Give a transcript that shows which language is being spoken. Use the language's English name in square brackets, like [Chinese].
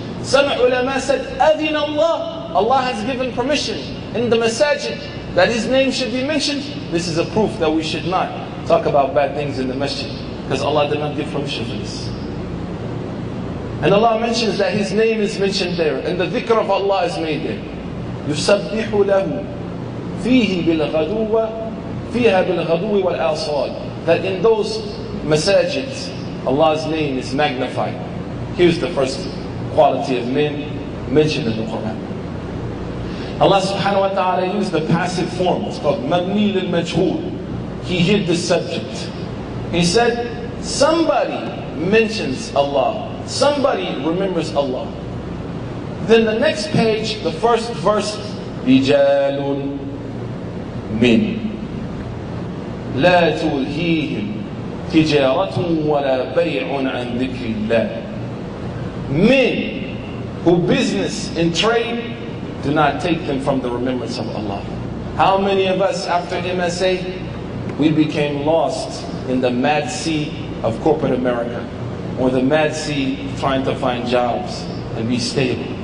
[English] Some ulama said, [Arabic] adhina Allah. [English] Allah has given permission in the masajid that His name should be mentioned. This is a proof that we should not talk about bad things in the masjid, because Allah did not give permission for this. And Allah mentions that His name is mentioned there, and the dhikr of Allah is made there. [Arabic] يُسَبِّحُ لَهُ فِيهِ بِالْغَدُوِّ فِيهَا بِالْغَدُوِّ وَالْأَصَالِ. [English] That in those masajid, Allah's name is magnified. Here's the first quality of men mentioned in the Quran. Allah subhanahu wa ta'ala used the passive form. It's called mabni lil majhul. He hid the subject. He said, somebody mentions Allah. Somebody remembers Allah. Then the next page, the first verse, [Arabic] rijalun min. لا تلهيهم تجارة ولا بيع عن ذكر الله. [English] Men who business and trade do not take them from the remembrance of Allah. How many of us after MSA, we became lost in the mad sea of corporate America or the mad sea trying to find jobs and be stable.